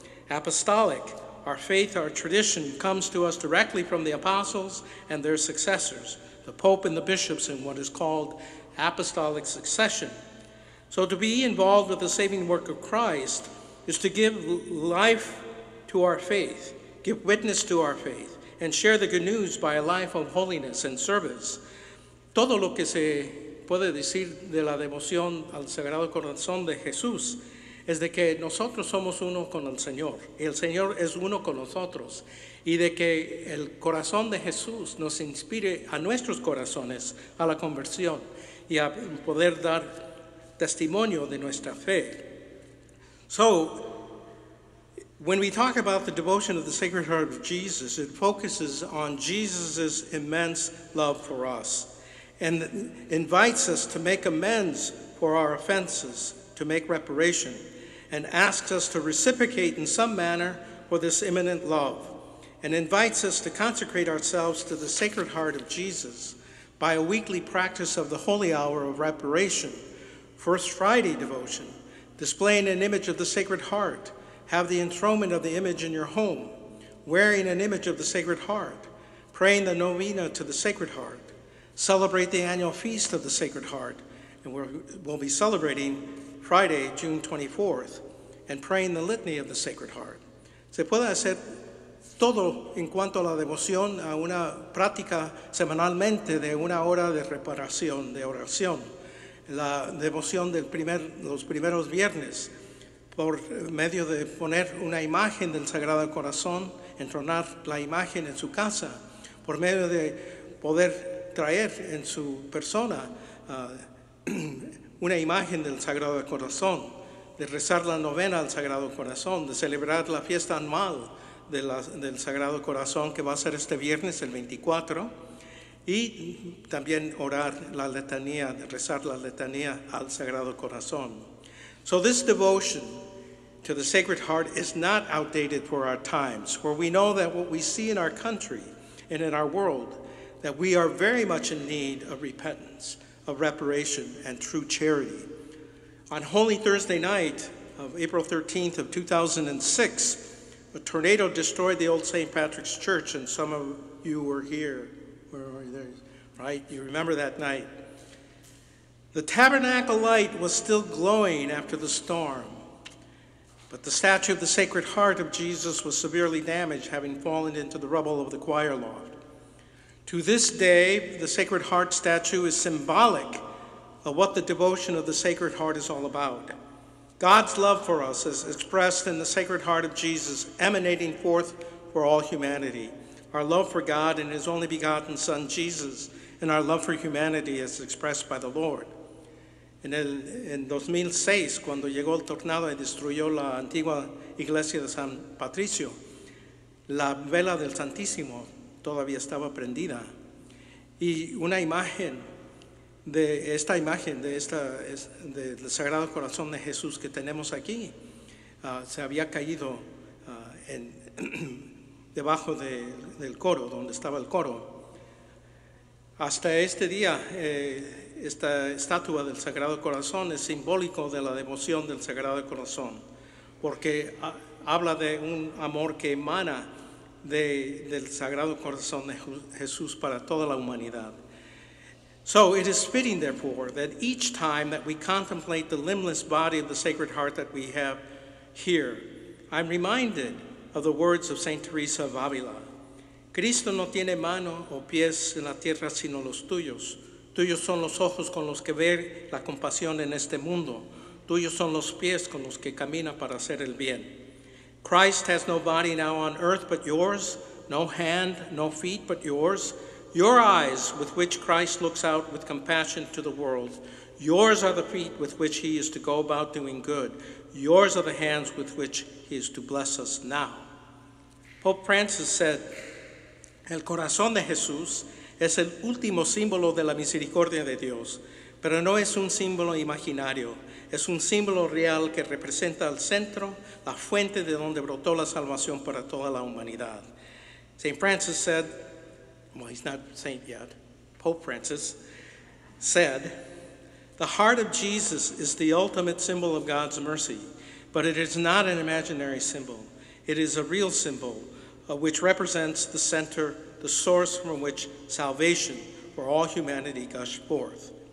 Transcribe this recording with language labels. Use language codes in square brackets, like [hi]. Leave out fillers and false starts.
[en] Apostolic, our faith, our tradition comes to us directly from the apostles and their successors, the Pope and the bishops, in what is called apostolic succession. So to be involved with the saving work of Christ is to give life to our faith, give witness to our faith, and share the good news by a life of holiness and service. [es] Todo lo que se puede decir de la devoción al Sagrado Corazón de Jesús es de que nosotros somos uno con el Señor, y el Señor es uno con nosotros, y de que el corazón de Jesús nos inspire a nuestros corazones a la conversión y a poder dar testimonio de nuestra fe. [en] So, when we talk about the devotion of the Sacred Heart of Jesus, it focuses on Jesus' immense love for us, and invites us to make amends for our offenses, to make reparation, and asks us to reciprocate in some manner for this imminent love, and invites us to consecrate ourselves to the Sacred Heart of Jesus by a weekly practice of the Holy Hour of Reparation, First Friday devotion, displaying an image of the Sacred Heart, have the enthronement of the image in your home, wearing an image of the Sacred Heart, praying the novena to the Sacred Heart, celebrate the annual feast of the Sacred Heart, and we'll be celebrating Friday, June 24th, and praying the litany of the Sacred Heart. [es] Se puede hacer todo en cuanto a la devoción a una práctica semanalmente de una hora de reparación, de oración, la devoción de los primeros viernes, por medio de poner una imagen del Sagrado Corazón, entronar la imagen en su casa, por medio de poder traer en su persona una imagen del Sagrado Corazón, de rezar la novena al Sagrado Corazón, de celebrar la fiesta anual del Sagrado Corazón que va a ser este viernes, el 24, y también orar la letanía, de rezar la letanía al Sagrado Corazón. [en] So this devotion to the Sacred Heart is not outdated for our times, for we know that what we see in our country and in our world, that we are very much in need of repentance, of reparation and true charity. On Holy Thursday night of April 13th of 2006, a tornado destroyed the old St. Patrick's Church, and some of you were here. Where were you? There, right? You remember that night. The tabernacle light was still glowing after the storm, but the statue of the Sacred Heart of Jesus was severely damaged, having fallen into the rubble of the choir loft. To this day, the Sacred Heart statue is symbolic of what the devotion of the Sacred Heart is all about. God's love for us is expressed in the Sacred Heart of Jesus emanating forth for all humanity. Our love for God and his only begotten Son, Jesus, and our love for humanity is expressed by the Lord. In 2006, [es] cuando llegó el tornado y destruyó la antigua iglesia de San Patricio, la vela del Santísimo todavía estaba prendida. Y una imagen de esta imagen de esta del Sagrado Corazón de Jesús que tenemos aquí se había caído en debajo del coro donde estaba el coro. Hasta este día esta estatua del Sagrado Corazón es simbólico de la devoción del Sagrado Corazón porque habla de un amor que emana del Sagrado Corazón de Jesús para toda la humanidad. [en] So it is fitting, therefore, that each time that we contemplate the limbless body of the Sacred Heart that we have here, I'm reminded of the words of St. Teresa of Avila. [es] Cristo no tiene mano o pies en la tierra sino los tuyos. Tuyos son los ojos con los que ver la compasión en este mundo. Tuyos son los pies con los que camina para hacer el bien. [en] Christ has no body now on earth but yours, no hand, no feet but yours. Your eyes with which Christ looks out with compassion to the world. Yours are the feet with which he is to go about doing good. Yours are the hands with which he is to bless us now. Pope Francis said, [es] El corazón de Jesús es el último símbolo de la misericordia de Dios, pero no es un símbolo imaginario. Es un símbolo real que representa el centro, la fuente de donde brotó la salvación para toda la humanidad. [en] St. Francis said, well, he's not saint yet, Pope Francis, said, The heart of Jesus is the ultimate symbol of God's mercy, but it is not an imaginary symbol. It is a real symbol which represents the center, the source from which salvation for all humanity gushed forth.